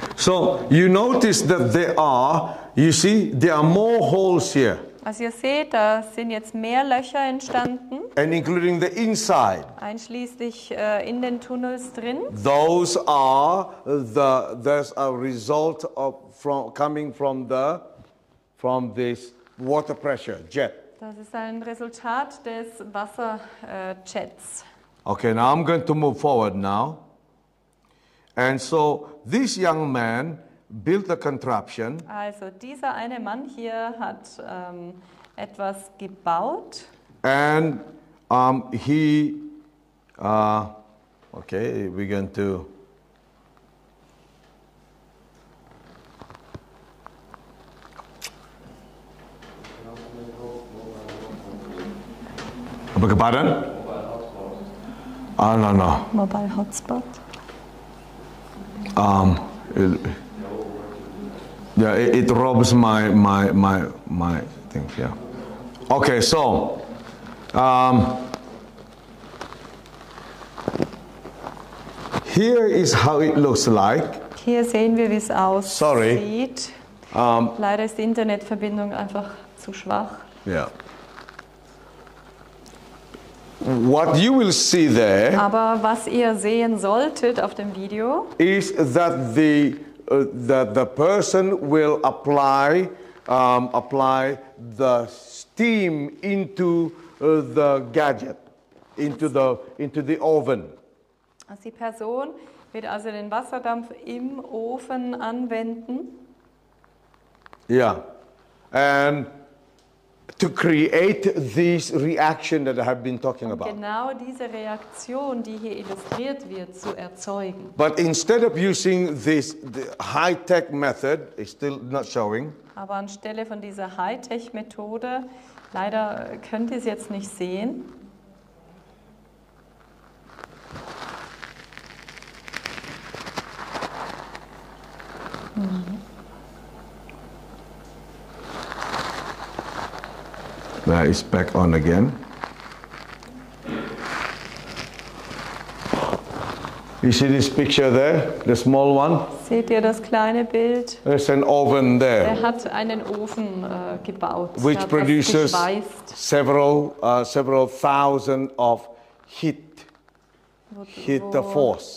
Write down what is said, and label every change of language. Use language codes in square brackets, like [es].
[en] So you notice that there are, you see, there are more holes here. [de] Also ihr seht, da sind jetzt mehr Löcher entstanden. [en] And including the inside. [de] Einschließlich in den Tunnels drin. [en] Those are the, there's a result of from coming from the, from this water pressure jet. [de] Das ist ein Resultat des Wasserjets. [en] Okay, now I'm going to move forward now. And so this young man built a contraption. [de] Also dieser eine Mann hier hat etwas gebaut. [en] And he, okay, we're going to. I beg your pardon? No. Mobile hotspot. It robs my thing here. Okay, so here is how it looks like. [de] Hier sehen wir, wie es aussieht. [en] Sorry. [de] Leider ist die Internetverbindung einfach zu schwach. [en] Yeah. What you will see there, [de] aber was ihr sehen solltet auf dem Video, [en] is that the person will apply the steam into the gadget, into the oven. [de] Also die Person wird also den Wasserdampf im Ofen anwenden. [en] Yeah, and to create this reaction that I have been talking about. [de] Genau diese Reaktion, die hier illustriert wird, zu erzeugen. [en] But instead of using this high-tech method, it's still not showing. [de] Aber anstelle von dieser High-Tech-Methode, leider könnt ihr es jetzt nicht sehen. [en] That is back on again. You see this picture there, the small one? [de] Seht ihr das kleine Bild? [en] There's an oven there. [de] Er hat einen Ofen gebaut, [en] which produces several thousand of heat of force,